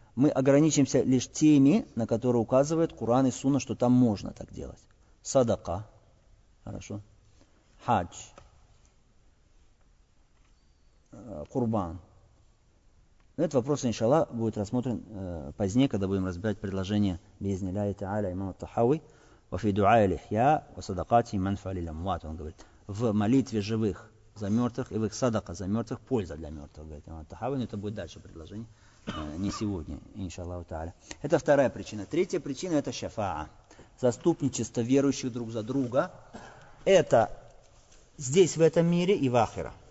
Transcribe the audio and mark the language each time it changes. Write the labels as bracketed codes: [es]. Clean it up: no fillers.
[ru] Мы ограничимся лишь теми, на которые указывает Куран и Сунна, что там можно так делать. Садака. Хорошо. Хадж. Курбан. Но этот вопрос, иншаллах, будет рассмотрен позднее, когда будем разбирать предложение «Биизни Ллахи Тааля» имама Тахави. [ar] وفي دعاء الإحياء وصدقاته منفعة للأموات. [ru] Он говорит, в молитве живых за мертвых и в их садака за мертвых польза для мертвых. Говорит, имам Тахави, это будет дальше предложение, не сегодня, иншаллаху тааля. Это вторая причина. Третья причина – это шафаа. Заступничество верующих друг за друга. Это здесь, в этом мире и в ахира.